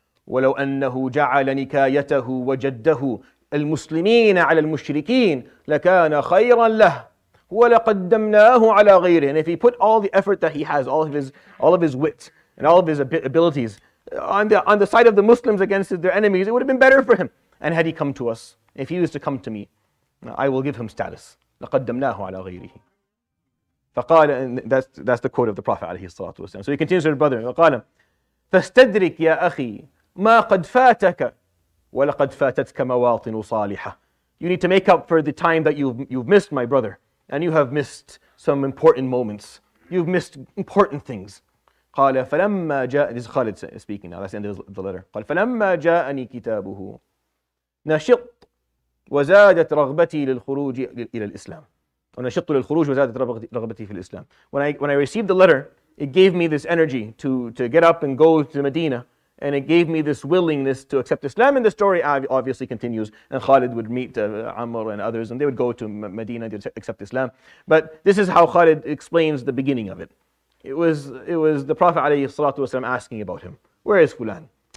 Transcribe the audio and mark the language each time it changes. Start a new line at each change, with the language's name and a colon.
Arabic: ولو أنه جعل نكايته وجده المسلمين على المشركين لكان خيرا له ولقدمناه على غيره.
English: And if he put all the effort that he has, all of his wit and all of his abilities on the side of the Muslims against their enemies, it would have been better for him. And had he come to us, if he was to come to me, I will give him status.
Arabic: لقدمناه على غيره. فقال,
English: and that's the quote of the Prophet عليه الصلاة والسلام. So he continues with his brother.
Arabic: وقال فاستدرك يا أخي ما قد فاتك ولقد فاتتك مواطن صالحة.
English: You need to make up for the time that you've missed, my brother, and you have missed some important moments. You've missed important things.
Arabic: قال فلما جاء,
English: this is Khalid speaking now, that's the end of the letter.
Arabic: قال فلما جاءني كتابه نشط وزادت رغبتي للخروج إلى الإسلام. ونشط للخروج وزادت رغبتي في الإسلام.
English: When I received the letter, it gave me this energy to get up and go to Medina. And it gave me this willingness to accept Islam. And the story obviously continues. And Khalid would meet Amr and others, and they would go to Medina to accept Islam. But this is how Khalid explains the beginning of it. It was the Prophet alayhi salatu wasalam asking about him. Where is Fulan?